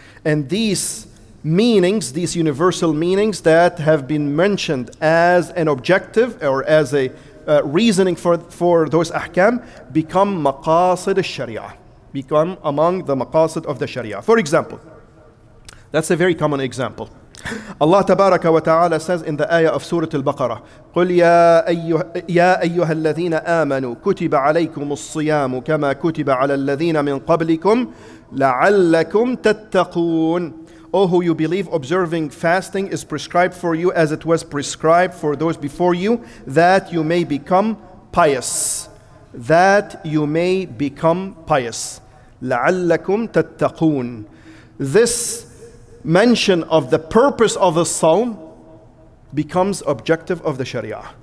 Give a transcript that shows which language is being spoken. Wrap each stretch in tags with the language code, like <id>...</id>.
<en>And these meanings, these universal meanings that have been mentioned as an objective or as a reasoning for those ahkam, become maqasid al-sharia, become among the maqasid of the sharia. For example, that's a very common example. Allah tabaraka wa ta'ala says in the ayah of Surah Al-Baqarah,</en> <ar>قُلْ يَا أَيُّهَا الَّذِينَ آمَنُوا كُتِبَ عَلَيْكُمُ الصِّيَامُ كَمَا كُتِبَ عَلَى الَّذِينَ مِنْ قَبْلِكُمْ لَعَلَّكُمْ تَتَّقُونَ.</ar> <en>Oh, who you believe, observing fasting is prescribed for you as it was prescribed for those before you, that you may become pious. That you may become pious.</en> <ar>لَعَلَّكُمْ تَتَّقُونَ.</ar> <en>This mention of the purpose of the psalm becomes objective of the sharia.</en>